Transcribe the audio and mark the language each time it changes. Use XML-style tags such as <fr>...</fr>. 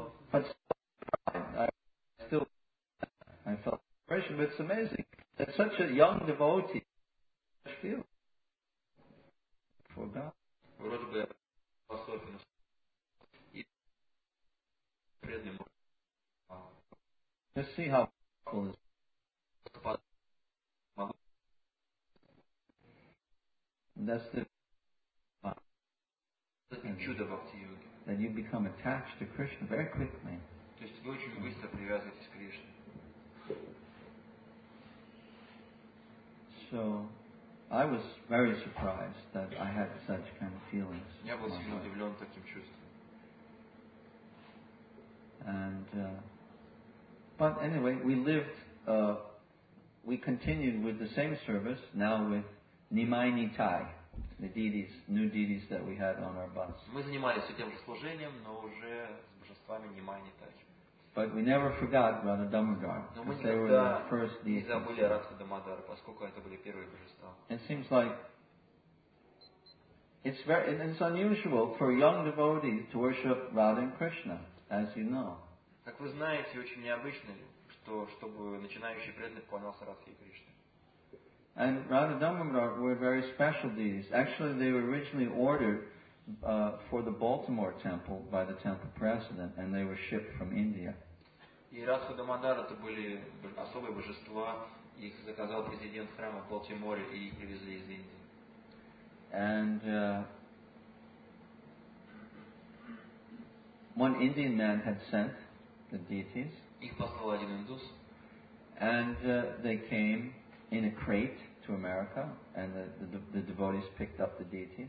<en>But I felt impression, but it's amazing that such a young devotee has feel for God.</en> <ru>Вроде бы особенно и преданный мужчина.</ru> <en>Just see how powerful is. That's the</en> <ru>чудо бхакти йоги.</ru> <en>That you become attached to Krishna very quickly.</en> <ru>То есть вы очень быстро привязываетесь к Кришне.</ru> <en>So, I was very surprised that I had such kind of feelings.</en> <ru>Я был сильно удивлен таким чувством.</ru> <en>And, but anyway, we lived, we continued with the same service, now with Nimai Nitai. The deities, new deities that we had on our bus.</en> <ru>Мы занимались этим же служением, но уже с божествами Нимай Нитай.</ru> <en>But we never forgot Radha Damodara.</en> <ru>Но мы никогда не забыли Радху Дамодару, поскольку это были первые божества.</ru> <en>It seems like it's unusual for a young devotee to worship Radha and Krishna, as you know.</en> <ru>Как вы знаете, очень необычно, чтобы начинающий преданный поклонялся Радхе и Кришне.</ru> <en>And Radha Damodara were very special deities. Actually, they were originally ordered for the Baltimore temple by the temple president, and they were shipped from India.</en> <ru>И Радха Дамодара это были особые божества, их заказал президент храма в Балтиморе, и их привезли из Индии.</ru> <en>And one Indian man had sent the deities.</en> <ru>Их послал один индус.</ru> <en>And they came in a crate. To America, and the devotees picked up the deities.</en>